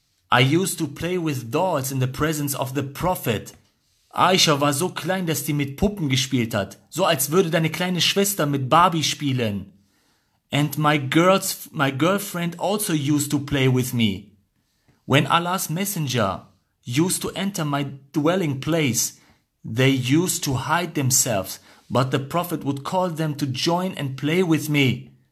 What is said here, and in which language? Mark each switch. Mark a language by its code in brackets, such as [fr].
[en] I used to play with dolls in the presence of the Prophet. [de] Aisha war so klein, dass die mit Puppen gespielt hat. So als würde deine kleine Schwester mit Barbie spielen. [en] And my girlfriend also used to play with me. When Allah's Messenger used to enter my dwelling place, they used to hide themselves, but the Prophet would call them to join and play with me.